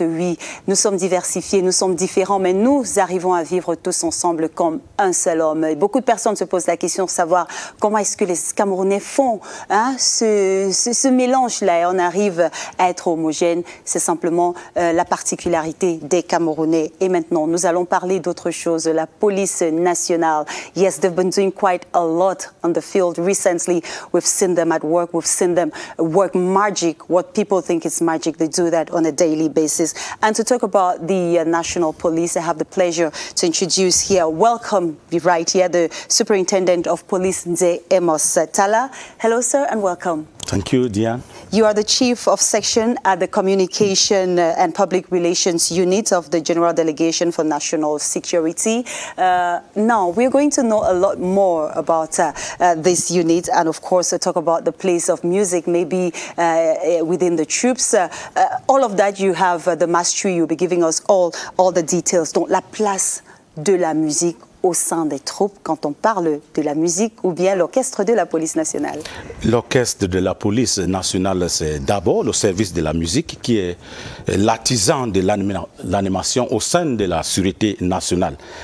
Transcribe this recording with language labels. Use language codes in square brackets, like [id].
[fr] Oui, nous sommes diversifiés, nous sommes différents, mais nous arrivons à vivre tous ensemble comme un seul homme. Et beaucoup de personnes se posent la question de savoir comment est-ce que les Camerounais font ce mélange-là et on arrive à être homogène. C'est simplement la particularité des Camerounais. Et maintenant, nous allons parler de autre chose, la police nationale. [en] Yes, they've been doing quite a lot on the field recently. We've seen them at work. We've seen them work magic. What people think is magic, they do that on a daily basis. And to talk about the national police, I have the pleasure to introduce here, welcome right here, the superintendent of police, Nze Emos Tala. Hello, sir, and welcome. Thank you, Diane. You are the chief of section at the Communication and Public Relations Unit of the General Delegation for National Security. Now, we're going to know a lot more about this unit and, of course, talk about the place of music, maybe within the troops. All of that, you have the mastery. You'll be giving us all the details. [fr] Donc, la place de la musique au sein des troupes, quand on parle de la musique ou bien l'orchestre de la police nationale? L'orchestre de la police nationale, c'est d'abord le service de la musique qui est l'artisan de l'animation au sein de la sûreté nationale.